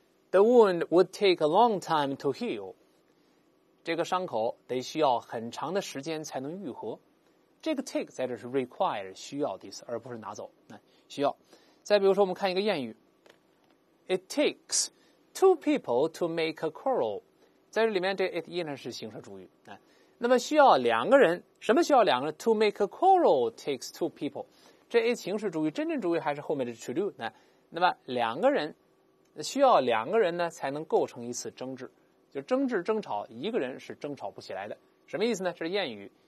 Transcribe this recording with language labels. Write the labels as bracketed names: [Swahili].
[English] The wound would take a long time to heal. [Chinese] 这个伤口得需要很长的时间才能愈合。这个 take 在这是 require 需要的意思，而不是拿走，需要。再比如说我们看一个谚语。 [English] It takes two people to make a quarrel. [Chinese] 在这里面这 it 依然是形式主语。那么需要两个人，什么需要两个人 ? [English] To make a quarrel takes two people. [Chinese] 这 it 形式主语，真正主语还是后面的 to do。那么两个人需要两个人呢才能构成一次争执。就争执争吵，一个人是争吵不起来的。什么意思呢？这是谚语。